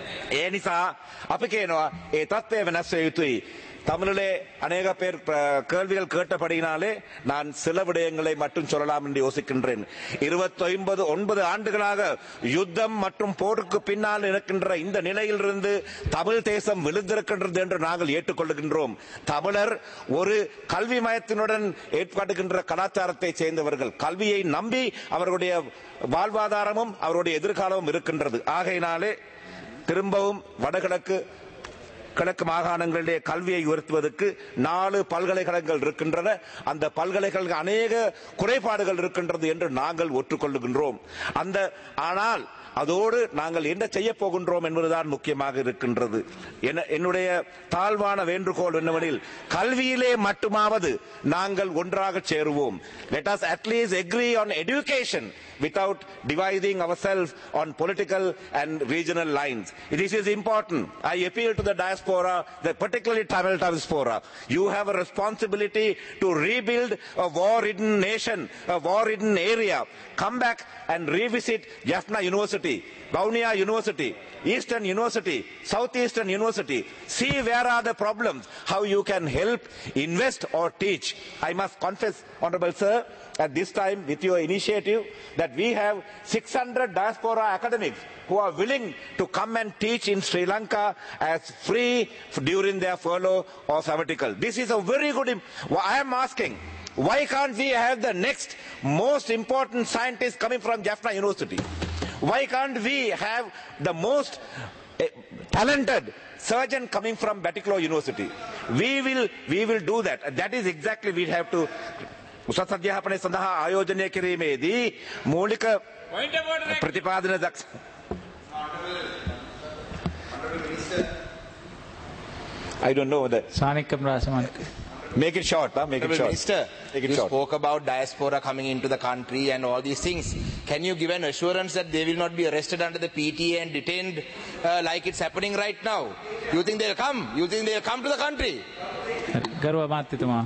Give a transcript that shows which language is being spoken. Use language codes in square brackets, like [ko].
[si] ඒ නිසා අපි කියනවා ඒ தත්ත්වය වෙනස් වෙ යුතුයි. [ta] தமிழிலே अनेक பேர் கேள்விகள் கேட்டபடியினாலே நான் சில விடயங்களை மட்டும் சொல்லலாம் என்று யோசிக்கின்றேன். 29 ஆண்டுகளாக யுத்தம் மற்றும் போருக்கு பின்னால் இருக்கின்ற இந்த நிலையிலிருந்து தமிழ் தேசம் விழுந்திருக்கின்றது என்று நாங்கள் ஏற்றுக்கொள்கின்றோம். தமிழர் ஒரு கல்வி மயத்தினுடன் ஏற்பாடுகின்ற கலாச்சாரத்தை சேர்ந்தவர்கள். கல்வியை நம்பி அவர்களுடைய வாழ்வாதாரமும் அவருடைய எதிர்காலமும் இருக்கின்றது. ஆகையினாலே திரும்பவும் வடகிழக்கு கிழக்கு மாகாணங்களிலே கல்வியை உயர்த்துவதற்கு 4 பல்கலைக்கழகங்கள் இருக்கின்றன. அந்த பல்கலைக்கழக அநேக குறைபாடுகள் இருக்கின்றது என்று நாங்கள் ஒற்றுக்கொள்ளுகின்றோம். அந்த ஆனால் அதோடு நாங்கள் என்ன செய்ய போகின்றோம் என்பதுதான் முக்கியமாக இருக்கின்றது. என்னுடைய தாழ்வான வேண்டுகோள் என்னவெனில், கல்வியிலே மட்டுமாவது நாங்கள் ஒன்றாக சேருவோம். [en] Let us at least agree on education without dividing ourselves on political and regional lines. This is important. I appeal to the diaspora, particularly Tamil diaspora. You have a responsibility to rebuild a war-ridden nation, a war-ridden area. Come back and revisit Jaffna University, Bavnia University, Eastern University, Southeastern University. See where are the problems, how you can help, invest or teach. I must confess, Honorable Sir, at this time with your initiative, that we have 600 diaspora academics who are willing to come and teach in Sri Lanka as free during their furlough or sabbatical. This is a very good, I am asking, why can't we have the next most important scientist coming from Jaffna University? Why can't we have the most talented surgeon coming from Batticaloa University? We will do that. That is exactly what we have to. [si] උසස් අධ්‍යාපනය සඳහා ආයෝජනය කිරීමේදී මූලික ප්‍රතිපාදන දක්ෂ [en] I don't know that සානික ප්‍රාසමන Make it short, huh? Make it short. Minister, Make it you short. Spoke about diaspora coming into the country and all these things. Can you give an assurance that they will not be arrested under the PTA and detained like it's happening right now? You think they'll come? You think they'll come to the country? [si] Garuwa Mathithuma.